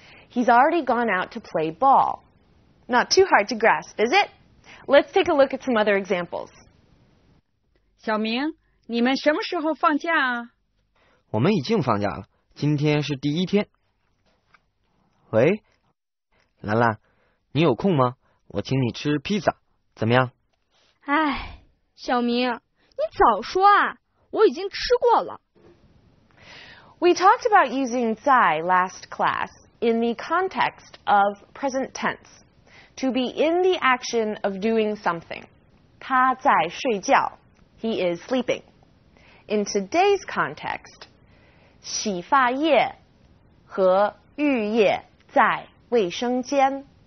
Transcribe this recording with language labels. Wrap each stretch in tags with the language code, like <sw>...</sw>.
<en>He's already gone out to play ball. Not too hard to grasp, is it? Let's take a look at some other examples.</en> <zh>小明,你们什么时候放假啊? 我们已经放假了,今天是第一天。喂, 兰兰, 你有空吗?我请你吃披萨,怎么样? 哎, 小明, 你早说啊, 我已经吃过了。</zh> <en>We talked about using 在 last class in the context of present tense, to be in the action of doing something.</en> <zh>他在睡觉,</zh> <en>he is sleeping. In today's context,</en> <zh>洗发液和浴液, 在卫生间.</zh>